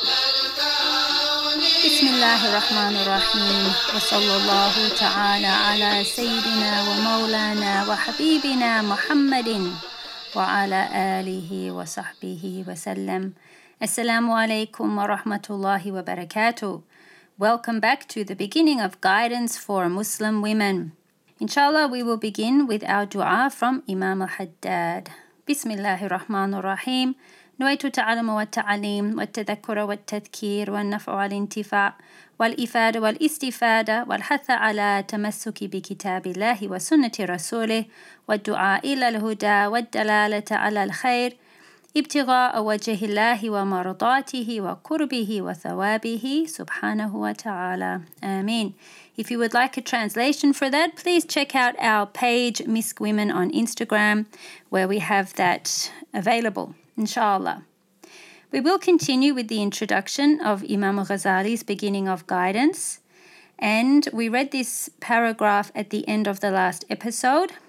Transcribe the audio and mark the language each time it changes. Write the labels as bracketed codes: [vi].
[ar] الله الرحمن الرحيم وصلى الله تعالى على سيدنا ومولانا وحبيبنا محمد وعلى آله وصحبه وسلم السلام عليكم ورحمة الله وبركاته. [en] Welcome back to the beginning of guidance for Muslim women. Inshallah, we will begin with our dua from Imam al-Haddad. Bismillah ar-Rahman ar-Rahim. [ar] نويت تعلم والتعليم والتذكر والتذكير والنفع والانتفاع والإفادة والاستفادة والحث على تمسك بكتاب الله وسنة رسوله والدعاء إلى الهدى والدلالة على الخير ابتغاء وجه الله ومرضاته وقربه وثوابه سبحانه وتعالى آمين. [en] If you would like a translation for that, please check out our page Misc Women on Instagram where we have that available. Inshallah. We will continue with the introduction of Imam Ghazali's beginning of guidance. And we read this paragraph at the end of the last episode.